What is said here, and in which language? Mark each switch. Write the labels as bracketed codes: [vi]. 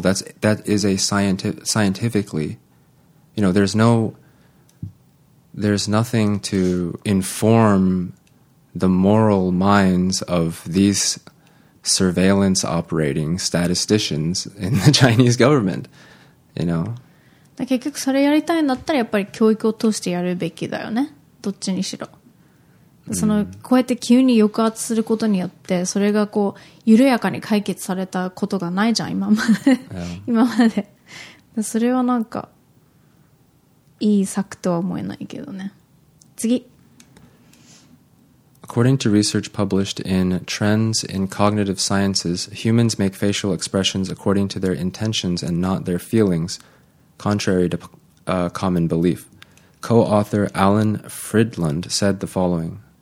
[en] That is a scientifically, you know, there's nothing to inform the moral minds of these surveillance operating statisticians in the Chinese government, you know. [ja] 結局それやりたいんだったらやっぱり教育を通してやるべきだよね、どっちにしろ。そのこうやって急に抑圧することによって、それがこう緩やかに解決されたことがないじゃん、今まで、今まで。それはなんかいい策とは思えないけどね。次。 [en] According to research published in Trends in Cognitive Sciences, humans make facial expressions according to their intentions and not their feelings, contrary to common belief. Co-author Alan Fridlund said the following.